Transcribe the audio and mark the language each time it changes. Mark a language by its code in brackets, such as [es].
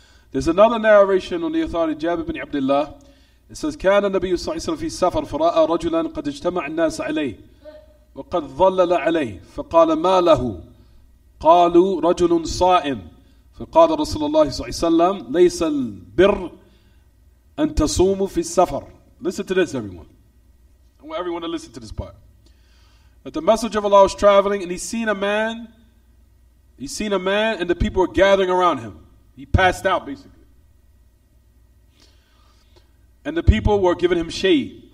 [en] There's another narration on the authority of Jabir ibn Abdullah. It says, [ar] كان النبي صلى الله عليه وسلم في السفر فرأى رجلا قد اجتمع الناس عليه وقد ظلل عليه فقال ما له قالوا رجل صائم فقال رسول الله صلى الله عليه وسلم ليس البر أن تصوموا في السفر. [en] Listen to this, everyone. I want everyone to listen to this part. That the message of Allah was traveling and he's seen a man and the people were gathering around him. He passed out basically. And the people were giving him shade.